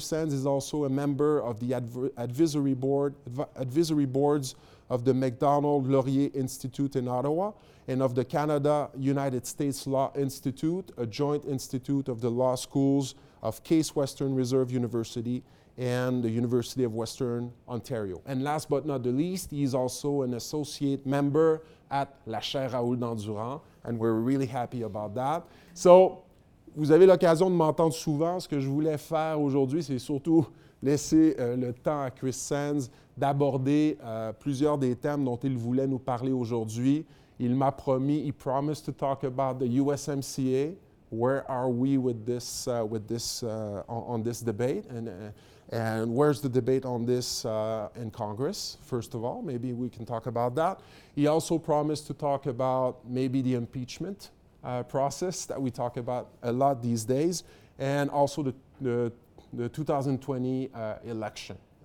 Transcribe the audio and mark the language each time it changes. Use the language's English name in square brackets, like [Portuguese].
[English] Sands is also a member of the advisory boards of the McDonald Laurier Institute in Ottawa and of the Canada-United States Law Institute, a joint institute of the law schools of Case Western Reserve University and the University of Western Ontario. And last but not the least, he's also an associate member at La Chaire Raoul Dandurand, and we're really happy about that. [French] So, vous avez l'occasion de m'entendre souvent. Ce que je voulais faire aujourd'hui, c'est surtout laisser le temps à Chris Sands d'aborder plusieurs des thèmes dont il voulait nous parler aujourd'hui. Il m'a promis, [English] he promised to talk about the USMCA. Where are we with this debate? And where's the debate on this in Congress, first of all? Maybe we can talk about that. He also promised to talk about maybe the impeachment process that we talk about a lot these days, and also the 2020 election.